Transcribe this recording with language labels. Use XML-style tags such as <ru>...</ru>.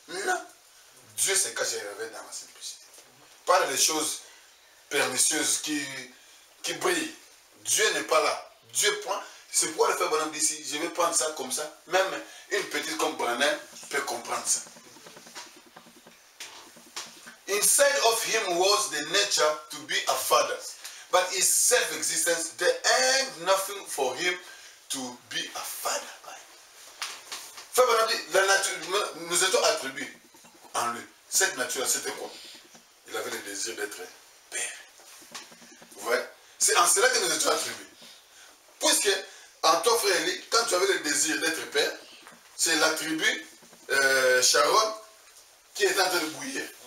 <fr>Non. Dieu s'est caché avec dans la simplicité. Pas les choses pernicieuses qui brillent. Dieu n'est pas là. Dieu prend. C'est pourquoi le frère Branham dit ici, je vais prendre ça comme ça. Même une petite comme Branham peut comprendre ça.</fr> <en>Inside of him was the nature to be a father. But his self-existence, there ain't nothing for him to be a father.</en> <fr>Frère Branham dit, la nature, nous étions attribués en lui. Cette nature, c'était quoi? Il avait le désir d'être père. Vous voyez? C'est en cela que nous étions attribués. Puisque, en toi, frère Eli, quand tu avais le désir d'être père, c'est la tribu Sharon qui est en train de bouillir.</fr>